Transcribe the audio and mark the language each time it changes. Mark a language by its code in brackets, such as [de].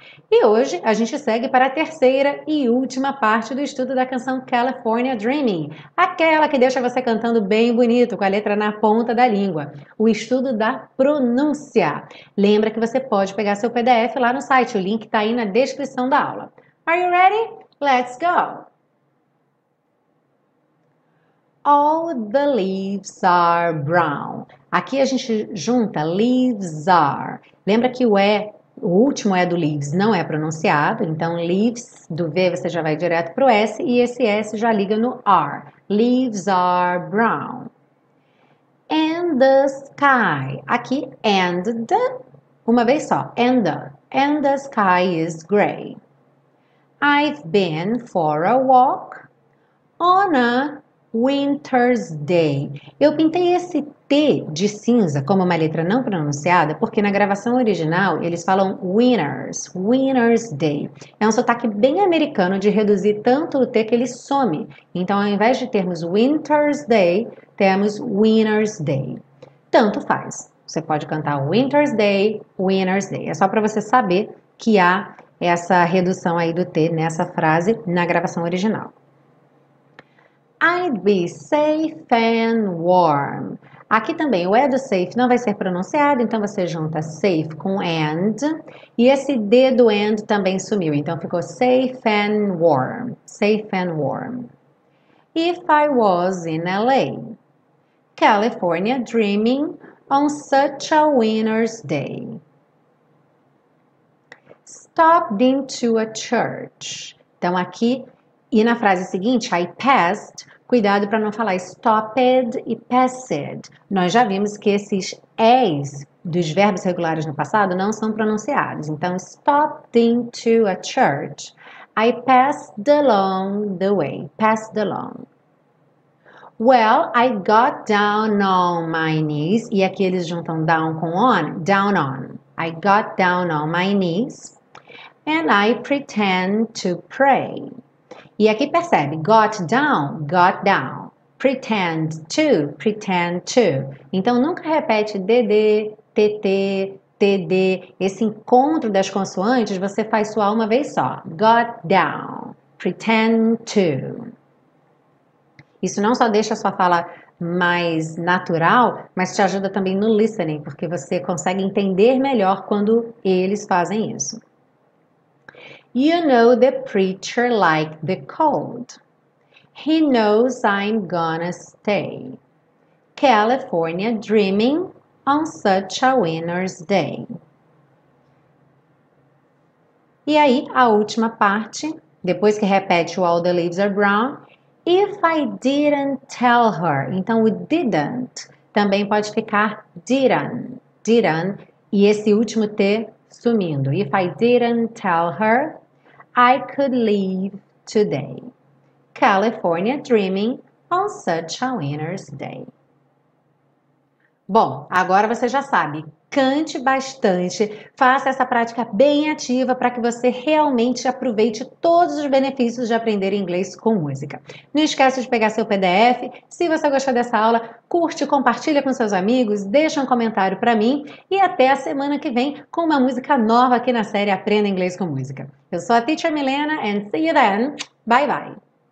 [pt] E hoje a gente segue para a terceira e última parte do estudo da canção California Dreaming, aquela que deixa você cantando bem bonito com a letra na ponta da língua, o estudo da pronúncia. Lembra que você pode pegar seu PDF lá no site, o link está aí na descrição da aula. [en] Are you ready? Let's go! All the leaves are brown. [pt] Aqui a gente junta leaves are. Lembra que o E, o último E do leaves não é pronunciado. Então, leaves, do V você já vai direto para o S. E esse S já liga no R. [en] Leaves are brown. And the sky. [pt] Aqui, [en] and the. [pt] Uma vez só. [en] And the. And the sky is gray. I've been for a walk on a winter's day. [pt] Eu pintei esse T de cinza como uma letra não pronunciada porque na gravação original eles falam winners, winter's day. É um sotaque bem americano de reduzir tanto o T que ele some. Então, ao invés de termos winter's day, temos winter's day. Tanto faz. Você pode cantar winter's day, winter's day. É só para você saber que há essa redução aí do T nessa frase na gravação original. [en] I'd be safe and warm. [pt] Aqui também o E do safe não vai ser pronunciado, então você junta safe com and. E esse D do and também sumiu, então ficou safe and warm. [en] Safe and warm. If I was in LA. California dreaming on such a winter's day. Stopped into a church. [pt] Então aqui, e na frase seguinte, I passed, cuidado para não falar stopped e passed. Nós já vimos que esses E's dos verbos regulares no passado não são pronunciados. [en] Então, stopped into a church. I passed along the way. Passed along. Well, I got down on my knees. [pt] E aqui eles juntam down com on. [en] Down on. I got down on my knees. And I pretend to pray. [pt] E aqui percebe, got down, pretend to. Então nunca repete DD, TT, TD. Esse encontro das consoantes você faz soar uma vez só. Got down, pretend to. Isso não só deixa a sua fala mais natural, mas te ajuda também no listening, porque você consegue entender melhor quando eles fazem isso. [en] You know the preacher like the cold. He knows I'm gonna stay. California dreaming on such a winter's day. [pt] E aí, a última parte, depois que repete o [en] all the leaves are brown. If I didn't tell her. [pt] Então, o [en] didn't [pt] também pode ficar [en] didn't. [pt] E esse último T sumindo. [en] If I didn't tell her. I could leave today. California dreaming on such a winter's day. [pt] Bom, agora você já sabe. Cante bastante. Faça essa prática bem ativa para que você realmente aproveite todos os benefícios de aprender inglês com música. Não esquece de pegar seu PDF. Se você gostou dessa aula, curte, compartilha com seus amigos, deixa um comentário para mim e até a semana que vem com uma música nova aqui na série Aprenda Inglês com Música. Eu sou a Teacher Milena [en] and see you then. Bye, bye.